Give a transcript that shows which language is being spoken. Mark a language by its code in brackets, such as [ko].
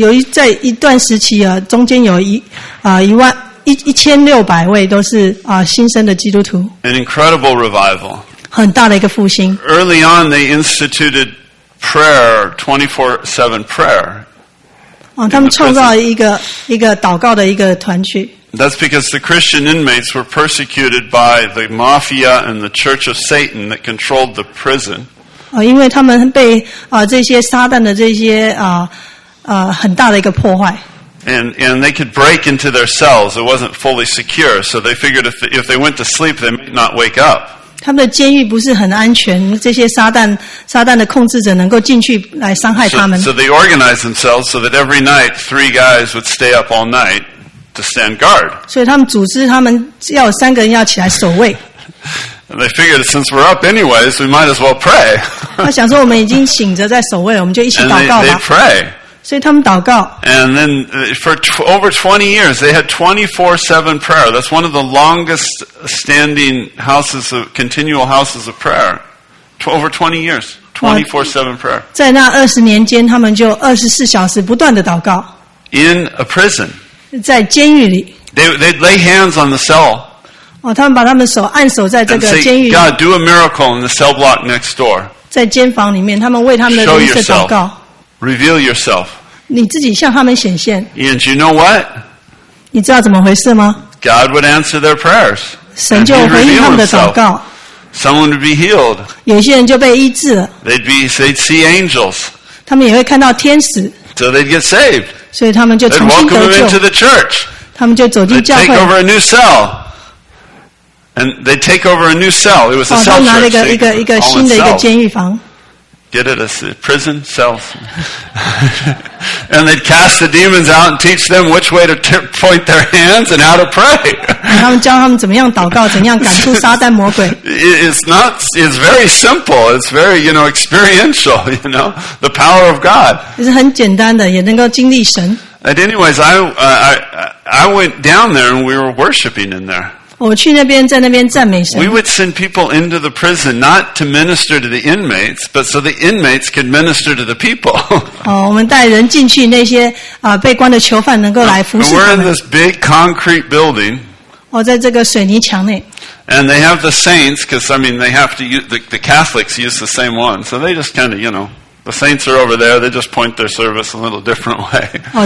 [zh] 在一段时期中间有1,600位都是新生的基督徒。 [en] An incredible revival. [zh] 很大的一个复兴。 [en] Early on, they instituted prayer, 24/7 prayer. [zh] 他们创造一个祷告的一个团聚。 [en] That's because the Christian inmates were persecuted by the mafia and the Church of Satan that controlled the prison. [zh] 因为他们被这些撒旦的这些很大的一个破坏。 [en] And they could break into their cells. It wasn't fully secure, so they figured if they went to sleep, they might not wake up. [zh] 他们的监狱不是很安全，这些撒旦的控制者能够进去来伤害他们。 [en] So they organized themselves so that every night three guys would stay up all night. To stand guard. [zh] 所以他们组织他们要有三个人要起来守卫。 [en] And they figured since we're up anyways, we might as well pray. [zh] 他想说我们已经醒着在守卫，我们就一起祷告吧。 [en] And they pray. [zh] 所以他们祷告。 [en] And then for over 20 years, they had 24/7 prayer. That's one of the longest standing continual houses of prayer. Over 20 years, 24/7 prayer. [zh] 在那20年间，他们就24小时不断的祷告。 [en] In a prison. [zh] 在监狱里 [en] they'd lay hands on the cell. [zh] 他们把他们手按守在这个监狱里。 [en] God, do a miracle in the cell block next door. [zh] 在监房里面，他们为他们的灵舍祷告。 [en] Reveal yourself. [zh] 你自己向他们显现。 [en] And you know what? [zh] 你知道怎么回事吗？ [en] God would answer their prayers. [zh] 神就回应他们的祷告。 [en] Someone would be healed. [zh] 有些人就被医治了。 [en] They'd see angels. [zh] 他们也会看到天使。 [en] So they'd get saved. [zh] 所以他们就重新得救。 [en] They'd welcome him into the church. [zh] 他们就走进教会。 [en] They'd take over a new cell. And they'd take over a new cell. It was a cell church. [zh] 他们拿了一个新的一个监狱房。 [en] Get it, a prison cell. And they'd cast the demons out and teach them which way to point their hands and how to pray. [zh] 他们教他们怎么样祷告，怎样赶出撒旦魔鬼。 [en] It's very simple. It's very, you know, experiential, you know, the power of God. [zh] 是很简单的，也能够经历神。 [en] And anyways, I went down there and we were worshiping in there. [zh] 我去那边，在那边赞美神。 [en] We would send people into the prison not to minister to the inmates, but so the inmates could minister to the people. [zh] 我们带人进去，那些被关的囚犯能够来服侍他们。 [en] We're in this big concrete building. [zh] 在这个水泥墙内。 [en] And they have the saints, because I mean, they have to use the Catholics use the same one, so they just kind of, you know, the saints are over there. They just point their service a little different way.